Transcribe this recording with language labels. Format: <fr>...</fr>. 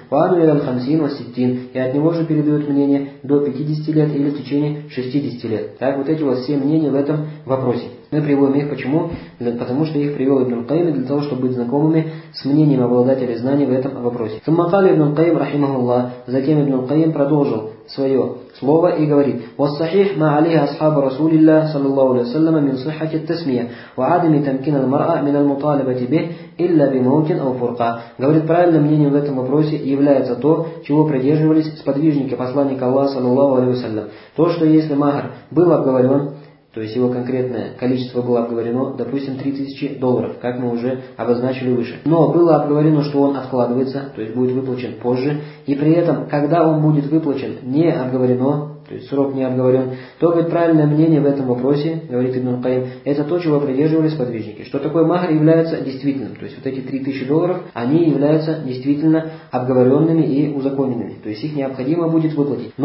<ar>Ва ибн аль-50 ва 60.</ar> <ru>И от него же передают мнение до 50 лет или в течение 60 лет. Так, вот эти вот все мнения в этом вопросе. Мы приводим их почему? Потому что их привел ибн аль-Каим для того, чтобы быть знакомыми с мнением обладателя знаний в этом вопросе.</ru> <ar>Сумма кали ибн аль-Каим рахимахуллах.</ar> <ru>Затем ибн аль-Каим продолжил свое слово и говорит:</ru> <ar>والصحيح ما عليه أصحاب رسول الله صلى الله عليه وسلم من صحة التسمية وعدم تمكين المرأة من المطالبة به إلا بموت أو فرقة.</ar> <ru>Говорит, правильным мнением в этом вопросе является то, чего придерживались сподвижники посланника Аллаха صلى الله عليه وسلم. То, что если махр был обговорен, то есть его конкретное количество было обговорено, допустим, 3000 долларов, как мы уже обозначили выше. Но было обговорено, что он откладывается, то есть будет выплачен позже, и при этом, когда он будет выплачен, не обговорено, то есть срок не обговорен, то говорит, правильное мнение в этом вопросе, говорит ибн аль-Каим, это то, чего придерживались сподвижники, что такой махр является действительным, то есть вот эти 3000 долларов, они являются действительно обговоренными и узаконенными, то есть их необходимо будет выплатить.</ru>